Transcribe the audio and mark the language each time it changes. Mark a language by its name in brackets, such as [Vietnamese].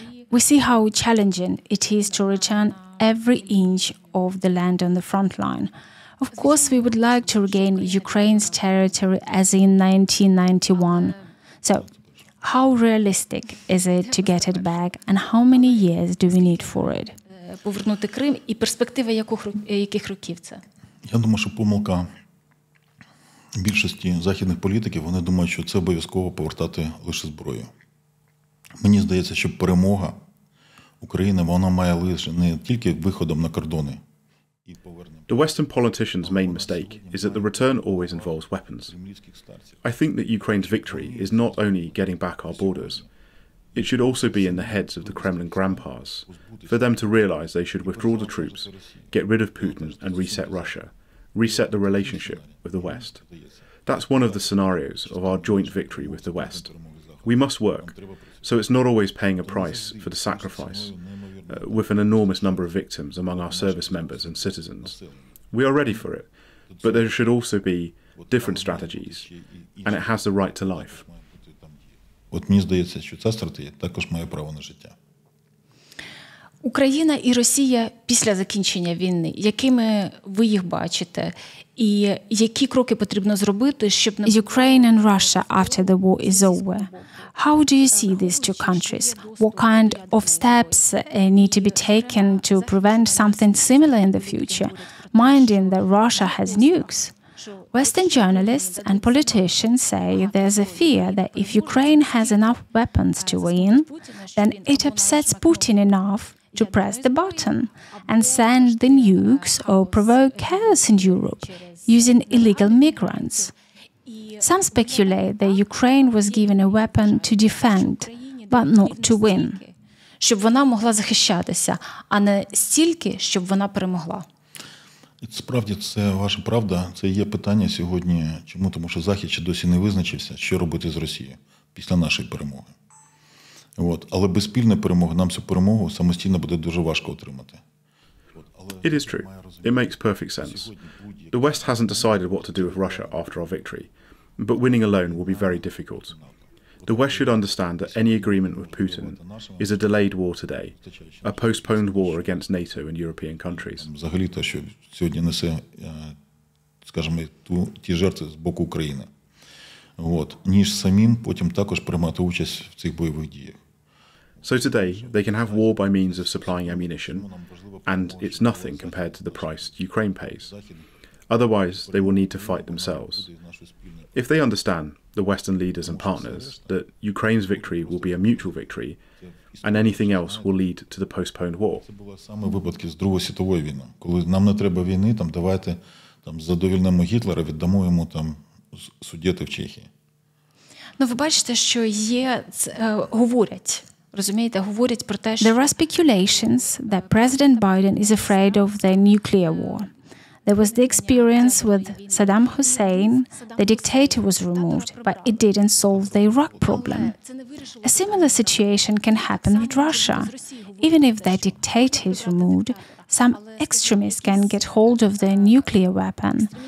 [English] We see how challenging it is to return every inch of the land on the front line. Of course, we would like to regain Ukraine's territory as in 1991. So, how realistic is it to get it back, and how many years do we need for it? [Ukrainian] Повернути Крим і перспективи яких років це? Я думаю, що помилка більшості західних політиків, вони думають, що це обов'язково повертати лише зброю. Мені здається, що перемога України, вона має лише не тільки виходом на кордони. [English] The Western politicians' main mistake is that the return always involves weapons. I think that Ukraine's victory is not only getting back our borders. It should also be in the heads of the Kremlin grandpas, for them to realize they should withdraw the troops, get rid of Putin and reset Russia, reset the relationship with the West. That's one of the scenarios of our joint victory with the West. We must work, so it's not always paying a price for the sacrifice. With an enormous number of victims among our service members and citizens. We are ready for it, but there should also be different strategies, and it has the right to life. [Ukrainian] От мені здається, що ця стратегія також має право на життя. Україна і Росія після закінчення війни, якими ви їх бачите, і які кроки потрібно зробити, щоб [English] Ukraine and Russia after the war is over. How do you see these two countries? What kind of steps need to be taken to prevent something similar in the future, minding that Russia has nukes? Western journalists and politicians say there's a fear that if Ukraine has enough weapons to win, then it upsets Putin enough to press the button and send the nukes or provoke chaos in Europe using illegal migrants. Some speculate that Ukraine was given a weapon to defend, but not to win. [Ukrainian] Щоб вона могла захищатися, а не стільки, щоб вона перемогла. Справді, це ваша правда. Це є питання сьогодні. Чому? Тому що Захід ще досі не визначився, що робити з Росією після нашої перемоги. От. Але без спільної перемоги нам цю перемогу самостійно буде дуже важко отримати. [English] It is true. It makes perfect sense. The West hasn't decided what to do with Russia after our victory. But winning alone will be very difficult. The West should understand that any agreement with Putin is a delayed war today, a postponed war against NATO and European countries. [Ukrainian] Взагалі те, що сьогодні несе, скажімо, ті жертви з боку України. От, ніж самим потім також приймати участь в цих бойових діях. [English] So today, they can have war by means of supplying ammunition, and it's nothing compared to the price Ukraine pays. Otherwise, they will need to fight themselves. If they understand, the Western leaders and partners, that Ukraine's victory will be a mutual victory, and anything else will lead to the postponed war. [Ukrainian] Це були саме випадки з Другої світової війни. Коли нам не треба війни, там давайте там задовільнемо Гітлера, віддамо йому там судети в Чехії. Ну, ви бачите, що є, говорять. [English] There are speculations that President Biden is afraid of the nuclear war. There was the experience with Saddam Hussein. The dictator was removed, but it didn't solve the Iraq problem. A similar situation can happen with Russia. Even if the dictator is removed, some extremists can get hold of the nuclear weapon.